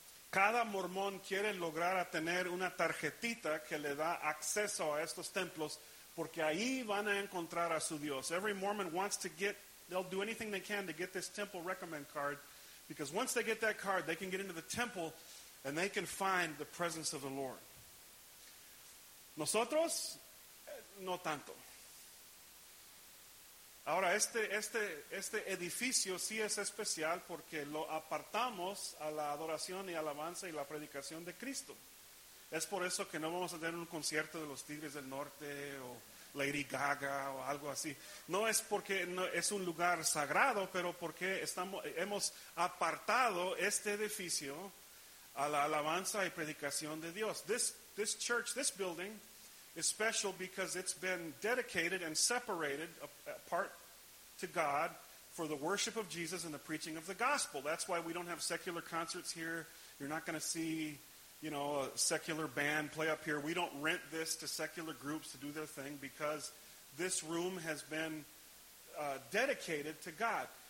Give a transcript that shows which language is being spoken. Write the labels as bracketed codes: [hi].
[es] Cada mormón quiere lograr tener una tarjetita que le da acceso a estos templos porque ahí van a encontrar a su Dios. [en] Every Mormon wants to get, they'll do anything they can to get this temple recommend card, because once they get that card, they can get into the temple and they can find the presence of the Lord. [es] Nosotros, no tanto. Ahora, este edificio sí es especial porque lo apartamos a la adoración y alabanza y la predicación de Cristo. Es por eso que no vamos a tener un concierto de los Tigres del Norte o Lady Gaga o algo así. No es porque no, es un lugar sagrado, pero porque hemos apartado este edificio a la alabanza y predicación de Dios. [en] This church, this building, is special because it's been dedicated and separated apart to God for the worship of Jesus and the preaching of the gospel. That's why we don't have secular concerts here. You're not going to see, you know, a secular band play up here. We don't rent this to secular groups to do their thing because this room has been dedicated to God.